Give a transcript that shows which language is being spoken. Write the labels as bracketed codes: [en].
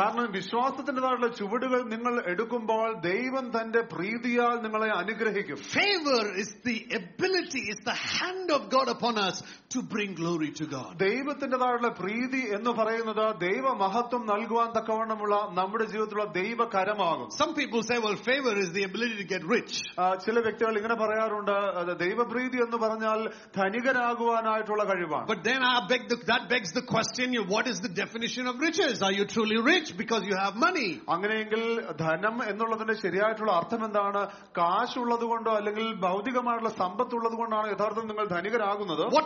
[ml] കാരണം വിശ്വാസത്തിന്റേതായിട്ടുള്ള ചുവടുകൾ നിങ്ങൾ എടുക്കുമ്പോൾ ദൈവം തന്റെ പ്രീതിയാൽ നിങ്ങളെ അനുഗ്രഹിക്കും. [en] Favour is the ability, is the hand of God upon us to bring glory to God. [ml] ദൈവത്തിന്റേതായിട്ടുള്ള പ്രീതി എന്ന് പറയുന്നത് ദൈവമഹത്വം നൽകുവാൻ തക്കവണ്ണമുള്ള നമ്മുടെ ജീവിതത്തിലുള്ള ദൈവകരമാകും. [en] Some people say, well, favor is the ability to get rich. [ml] ചില വ്യക്തികൾ ഇങ്ങനെ പറയാറുണ്ട്, ദൈവപ്രീതി എന്ന് പറഞ്ഞാൽ ധനികരാകുവാനായിട്ടുള്ള കഴിവാണ്. [en] But then that begs the question, what is the definition of riches? Are you truly rich because you have money? [ml] അങ്ങനെയെങ്കിൽ ധനം എന്നുള്ളതിന്റെ ശരിയായിട്ടുള്ള അർത്ഥം എന്താണ്? കാശ് ഉള്ളതുകൊണ്ടോ അല്ലെങ്കിൽ ഭൗതികമായിട്ടുള്ള സമ്പത്ത് ഉള്ളതുകൊണ്ടാണോ യഥാർത്ഥം നിങ്ങൾ ധനികരാകുന്നത്?